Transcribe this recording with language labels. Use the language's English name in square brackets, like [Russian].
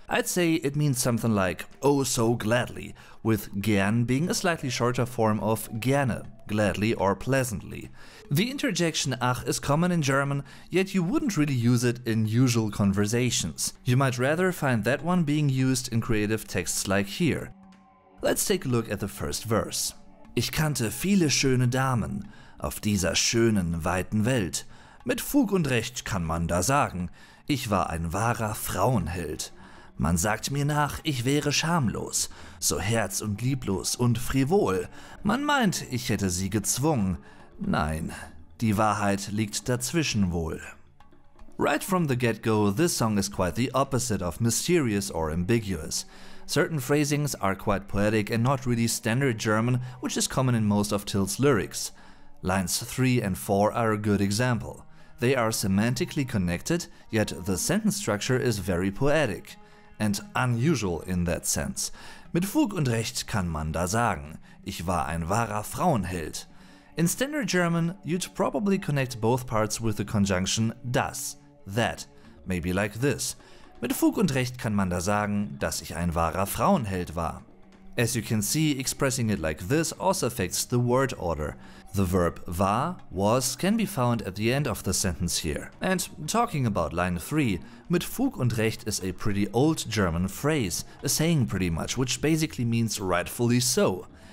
[English] I'd say it means something like oh so gladly, with gern being a slightly shorter form of gerne, gladly or pleasantly. The interjection Ach is common in German, yet you wouldn't really use it in usual conversations. You might rather find that one being used in creative texts like here. Let's take a look at the first verse. [German] Ich kannte viele schöne Damen auf dieser schönen weiten Welt. Mit Fug und Recht kann man da sagen, ich war ein wahrer Frauenheld. Man sagt mir nach, ich wäre schamlos, so herz- und lieblos und frivol. Man meint, ich hätte sie gezwungen. Nein, die Wahrheit liegt dazwischen wohl. [English] Right from the get-go, this song is quite the opposite of mysterious or ambiguous. Certain phrasings are quite poetic and not really standard German, which is common in most of Till's lyrics. Lines 3 and 4 are a good example. They are semantically connected, yet the sentence structure is very poetic. And unusual in that sense. [German] Mit Fug und Recht kann man da sagen, ich war ein wahrer Frauenheld. [English] In standard German, you'd probably connect both parts with the conjunction das, that, maybe like this. [German] Mit Fug und Recht kann man da sagen, dass ich ein wahrer Frauenheld war. [English] As you can see, expressing it like this also affects the word order. The verb war, was, can be found at the end of the sentence here. And talking about line 3, [German] mit Fug und Recht [English] is a pretty old German phrase, a saying pretty much, which basically means rightfully so.